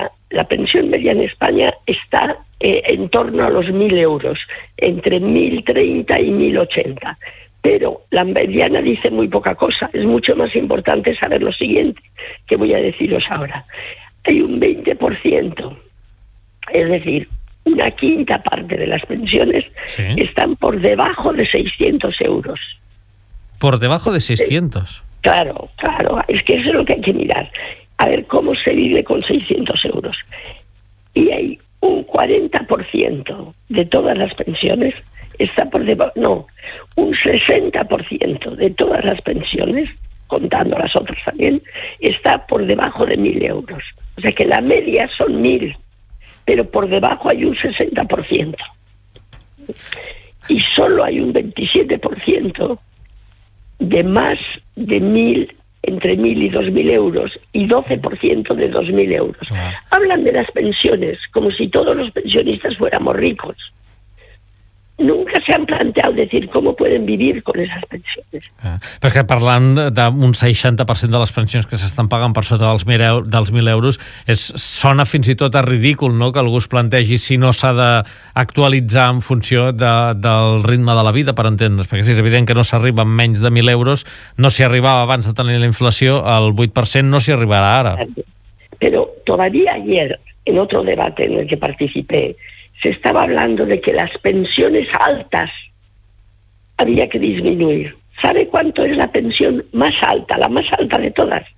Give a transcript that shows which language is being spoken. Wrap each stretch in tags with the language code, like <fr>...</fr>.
<ca>La pensió mèdia en Espanya està</ca> <es>en torno a los</es> <ca>1.000 euros, entre 1.030 i 1.080.</ca> <es>Però la mediana dice muy poca cosa. Es mucho más importante saber lo siguiente que voy a deciros ahora. Hay un 20%, es decir, una quinta parte de las pensiones, ¿sí?, están por debajo de 600 euros. Por debajo de 600. Claro, es que eso es lo que hay que mirar. A ver, ¿cómo se vive con 600 euros? Y hay un 40% de todas las pensiones está por debajo, no, un 60% de todas las pensiones, contando las otras también, está por debajo de 1.000 euros. O sea que la media son 1.000, pero por debajo hay un 60%. Y solo hay un 27%. De más de 1.000, entre 1.000 y 2.000 euros, y 12% de 2.000 euros. Hablan de las pensiones como si todos los pensionistas fuéramos ricos. nunca se han planteado decir cómo pueden vivir con esas pensiones.</es> <ca>Ah, però és que parlant d'un 60% de les pensions que s'estan pagant per sota dels 1.000 euros, sona fins i tot a ridícul, no?, que algú es plantegi si no s'ha d'actualitzar en funció del ritme de la vida, per entendre's, perquè si és evident que no s'arriba amb menys de 1.000 euros, no s'hi arribava abans de tenir la inflació, el 8% no s'hi arribarà ara.</ca> <es>Però todavía ayer, en otro debate en el que participé, se estaba hablando de que las pensiones altas había que disminuir. ¿Sabe cuánto es la pensión más alta, la más alta de todas?</es>